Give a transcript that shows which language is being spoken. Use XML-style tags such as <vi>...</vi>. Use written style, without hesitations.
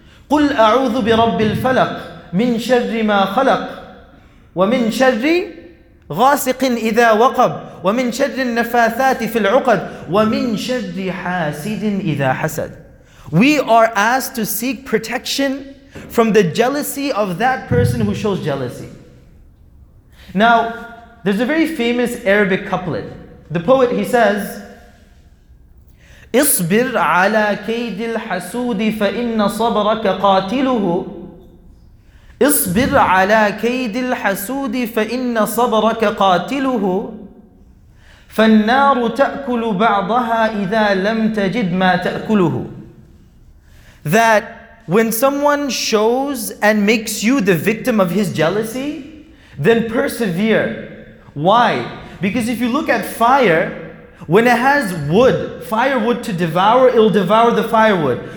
<ar>قُلْ أَعُوذُ بِرَبِّ الْفَلَقِ مِنْ شَرِّ مَا خَلَقَ وَمِنْ شَرِّ غَاسِقٍ إِذَا وَقَبَ وَمِنْ شَرِّ النَّفَاثَاتِ فِي الْعُقَدِ وَمِنْ شَرِّ حَاسِدٍ إِذَا حَسَدَ.</ar> <en>We are asked to seek protection from the jealousy of that person who shows jealousy. Now, there's a very famous Arabic couplet. The poet, he says,</en> <ar>اصبر على كيد الحسود فإن صبرك قاتله اصبر على كيد الحسود فإن صبرك قاتله فالنار تأكل بعضها إذا لم تجد ما تأكله.</ar> <en>That when someone shows and makes you the victim of his jealousy, then persevere. Why? Because if you look at fire, when it has wood, firewood to devour, it will devour the firewood.</en>